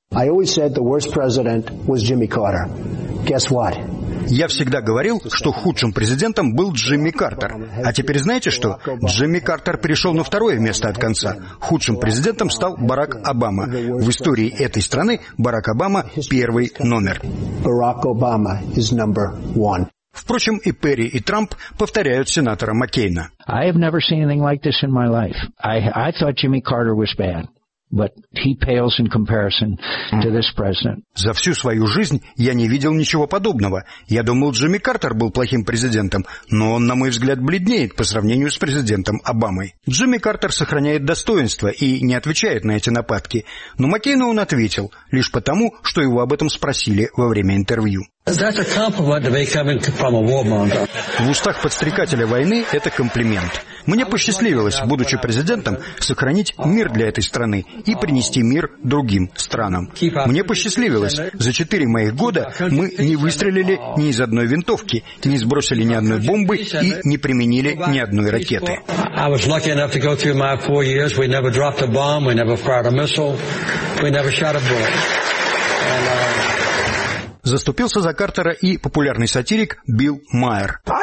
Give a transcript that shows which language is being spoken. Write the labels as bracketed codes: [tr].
[en] I always said the worst president was Jimmy Carter. Guess what? [ru] Я всегда говорил, что худшим президентом был Джимми Картер. А теперь знаете что? Джимми Картер перешел на второе место от конца. Худшим президентом стал Барак Обама. В истории этой страны Барак Обама первый номер. [en] Барак Обама is number one. [ru] Впрочем, и Перри, и Трамп повторяют сенатора Маккейна. [en] I have never seen anything like this in my life. I thought Jimmy Carter was bad. But he pales in comparison to this president. [ru] За всю свою жизнь я не видел ничего подобного. Я думал, Джимми Картер был плохим президентом, но он, на мой взгляд, бледнеет по сравнению с президентом Обамой. Джимми Картер сохраняет достоинство и не отвечает на эти нападки. Но Маккейну он ответил, лишь потому, что его об этом спросили во время интервью. [en] That's a compliment to be coming from a warmonger. [ru] В устах подстрекателя войны это комплимент. Мне посчастливилось, будучи президентом, сохранить мир для этой страны и принести мир другим странам. Мне посчастливилось, за 4 моих года мы не выстрелили ни из одной винтовки, не сбросили ни одной бомбы и не применили ни одной ракеты. [en] I was lucky enough to go through my 4 years. We never dropped a bomb, we never fired a missile, we never shot a bullet. [ru] Заступился за Картера и популярный сатирик Билл Майер.